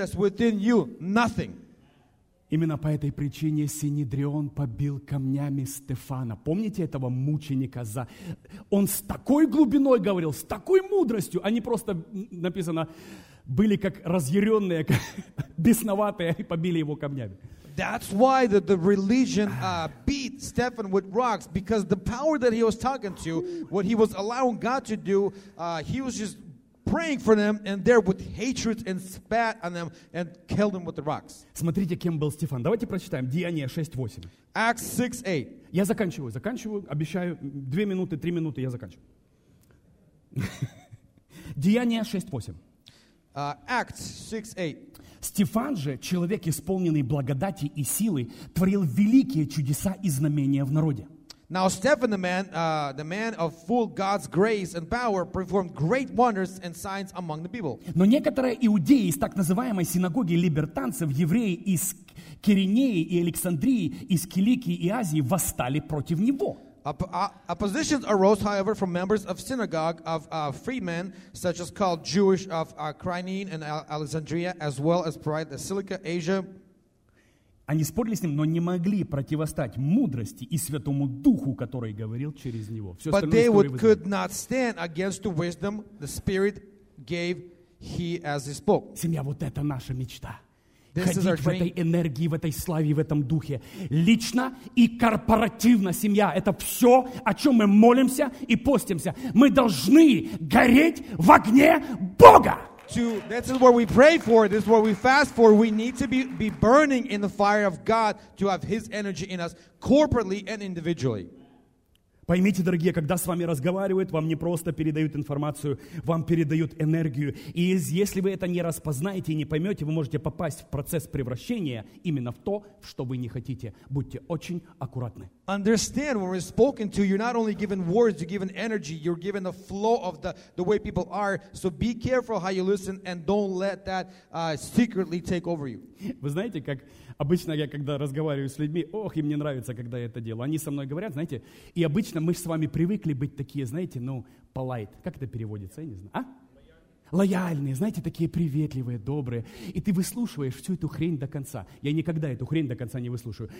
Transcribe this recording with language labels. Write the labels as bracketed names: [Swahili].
[English] They can kick you out of the church. They can throw rocks at you, but they can't do anything to the energy that's within you. Nothing. [Russian] Именно по этой причине Синедрион побил камнями Стефана. Помните этого мученика? Он с такой глубиной говорил, с такой мудростью. Они просто, написано, были как разъяренные, как бесноватые, и побили его камнями. [English] That's why the religion beat Stephen with rocks, because the power that he was talking to, what he was allowing God to do, he was just praying for them, and there with hatred and spat on them and killed them with the rocks. [Russian] Смотрите, кем был Стефан. Давайте прочитаем Деяния 6:8. [English] Acts 6:8. [Russian] Я заканчиваю, заканчиваю, обещаю, 2 минуты, 3 минуты, я заканчиваю. Деяния 6:8. [English] Acts 6:8. [Russian] Стефан же, человек, исполненный благодати и силы, творил великие чудеса и знамения в народе. [English] Now Stephen, the man of full God's grace and power, performed great wonders and signs among the people. [Russian] Но некоторые иудеи из так называемой синагоги либертанцев, евреи из Киренеи и Александрии, из Киликии и Азии, восстали против него. [English] Opposition arose, however, from members of synagogue of freedmen, such as called Jewish of Cyrene and Alexandria, as well as pride of Cilicia, Asia. [Russian] Они спорили с ним, но не могли противостать мудрости и Святому Духу, который говорил через него. Все [English] But they would, could not stand against the wisdom the Spirit gave he as he spoke. [Russian] Семья, вот это наша мечта. Ходить в этой энергии, в этой славе, в этом духе. Лично и корпоративно, семья. Это все, о чем мы молимся и постимся. Мы должны гореть в огне Бога. [English] This is what we pray for. This is what we fast for. We need to be burning in the fire of God to have His energy in us corporately and individually. [Russian] Поймите, дорогие, когда с вами разговаривают, вам не просто передают информацию, вам передают энергию. И если вы это не распознаете и не поймете, вы можете попасть в процесс превращения именно в то, что вы не хотите. Будьте очень аккуратны. [English] Understand, when we're spoken to, you're not only given words, you're given energy, you're given the flow of the way people are. So be careful how you listen and don't let that secretly take over you. [Russian] Вы знаете, как... Обычно я, когда разговариваю с людьми, ох, им не нравится, когда я это делаю. Они со мной говорят, знаете, и обычно мы с вами привыкли быть такие, знаете, ну, polite. Как это переводится, я не знаю. А? Лояльные, знаете, такие приветливые, добрые. И ты выслушиваешь всю эту хрень до конца. Я никогда эту хрень до конца не выслушаю.